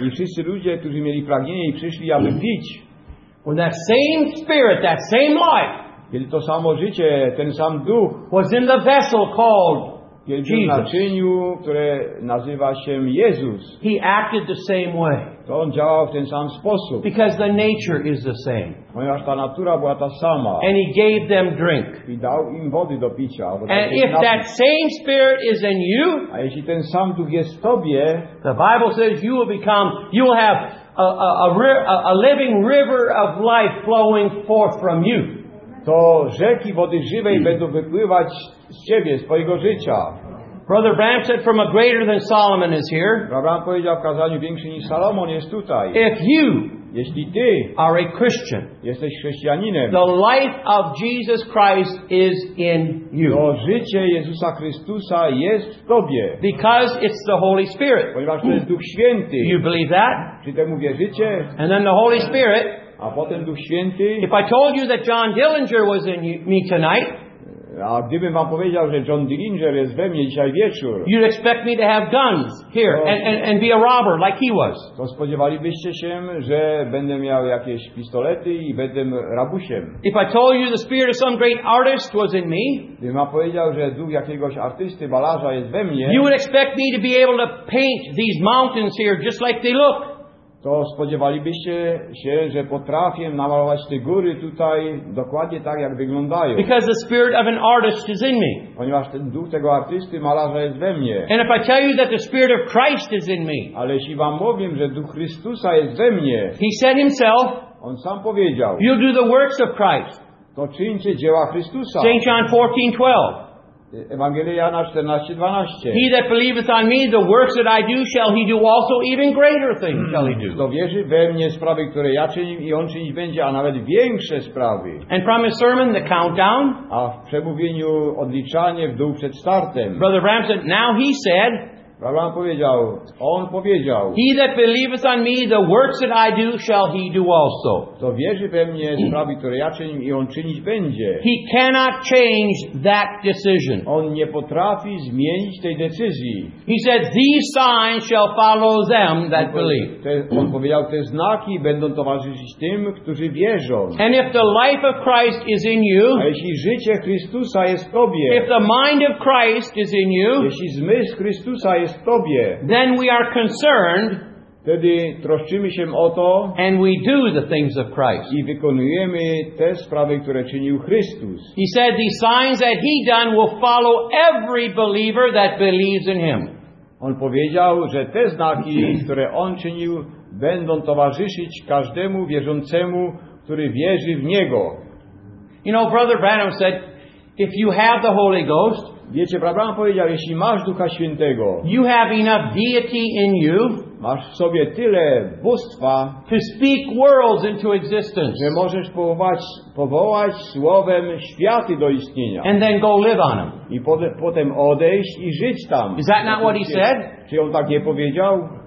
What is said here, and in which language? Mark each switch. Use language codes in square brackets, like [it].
[pl] I wszyscy ludzie, którzy mieli pragnienie, przyszli, aby pić. [en] When that same spirit, that same life, [pl] kiedy to samo życie, ten sam duch, [en] was in the vessel called Jesus. [pl] W naczyniu, które nazywa się Jezus. [en] He acted the same way. [pl] To on działał w ten sam sposób. [en] Because the nature is the same. [pl] Ponieważ ta natura była ta sama. [en] And he gave them drink. [pl] I dał im wody do picia. [en] And if that same spirit is in you, [pl] a jeśli ten sam duch jest w tobie, [en] the Bible says you will become, you will have a living river of life flowing forth from you. [pl] To rzeki wody żywej będą wypływać z ciebie, z twojego życia. [en] Brother Bram said, "From a greater than Solomon is here." [pl] Brother Bram powiedział w kazaniu, większy niż Salomon jest tutaj. [en] If you, [pl] jeśli ty, [en] are a Christian, [pl] jesteś chrześcijaninem, [en] the life of Jesus Christ is in you. [pl] To życie Jezusa Chrystusa jest w tobie. [en] Because it's the Holy Spirit. [pl] Ponieważ to jest Duch Święty. [en] You believe that? [pl] Czy temu wierzycie? [en] And then the Holy Spirit. [pl] A potem Duch Święty. [en] If I told you that John Dillinger was in me tonight. [pl] A gdybym wam powiedział, że John Dillinger jest we mnie dzisiaj wieczór, [en] you'd expect me to have guns here and be a robber like he was. [pl] To spodziewalibyście się, że będę miał jakieś pistolety i będę rabusiem. [en] If I told you the spirit of some great artist was in me, [pl] gdybym wam powiedział, że duch jakiegoś artysty, balarza jest we mnie, [en] you would expect me to be able to paint these mountains here just like they look. [pl] To spodziewalibyście się, że potrafię namalować te góry tutaj dokładnie tak, jak wyglądają. [en] Because the spirit of an artist is in me. [pl] Ponieważ ten duch tego artysty, malarza jest we mnie. [en] And if I tell you that the spirit of Christ is in me. [pl] Ale jeśli wam mówię, że duch Chrystusa jest we mnie. [en] He said himself. [pl] On sam powiedział. [en] You'll do the works of Christ. [pl] To czyńcie dzieła Chrystusa. [en] St. John 14:12. [pl] Ewangelia Jana 14:12. [en] He that believeth on me, the works that I do, shall he do also even greater things shall he do. [pl] Kto wierzy we mnie, sprawy, które ja czynię, i on czynić będzie, a nawet większe sprawy. [en] And from his sermon, the countdown. [pl] A w przemówieniu odliczanie w dół przed startem. [en] Brother Bram said, now he said. [pl] Brother Bram powiedział, on powiedział. [en] He that believeth on me, the works that I do, shall he do also. [pl] Kto wierzy we mnie, sprawy, które ja czynię, i on czynić będzie. [en] He cannot change that decision. [pl] On nie potrafi zmienić tej decyzji. [en] He said, these signs shall follow them that believe. [pl] On powiedział, te znaki będą towarzyszyć tym, którzy wierzą. [en] And if the life of Christ is in you, [pl] a jeśli życie Chrystusa jest w tobie, [en] if the mind of Christ is in you, [pl] jeśli zmysł Chrystusa jest w tobie, [en] then we are concerned. [pl] Wtedy troszczymy się o to, [en] and we do the things of Christ. [pl] I wykonujemy te sprawy, które czynił Chrystus. [en] He said, "The signs that he done will follow every believer that believes in him." [pl] On powiedział, że te znaki, które on czynił, będą towarzyszyć każdemu wierzącemu, który wierzy w niego. [en] You know, Brother Branham said, "If you have the Holy Ghost." [pl] Wiecie, Abraham powiedział, jeśli masz Ducha Świętego, [en] you have enough deity in you, [pl] masz w sobie tyle bóstwa, [en] to speak worlds into existence, [pl] że możesz powołać słowem światy do istnienia, [en] and then go live on them. [pl] I potem odejść i żyć tam. [en] Is that not what he said? [pl] Czy on tak nie powiedział?